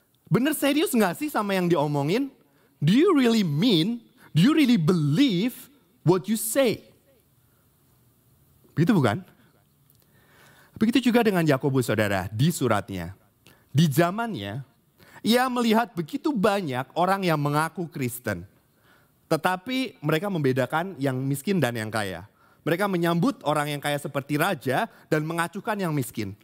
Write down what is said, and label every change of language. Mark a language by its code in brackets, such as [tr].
[id] Bener serius gak sih sama yang diomongin? [en] Do you really mean, do you really believe what you say? [id] Begitu bukan? Begitu juga dengan Yakobus, saudara, di suratnya. Di zamannya, ia melihat begitu banyak orang yang mengaku Kristen. Tetapi mereka membedakan yang miskin dan yang kaya. Mereka menyambut orang yang kaya seperti raja dan mengacuhkan yang miskin.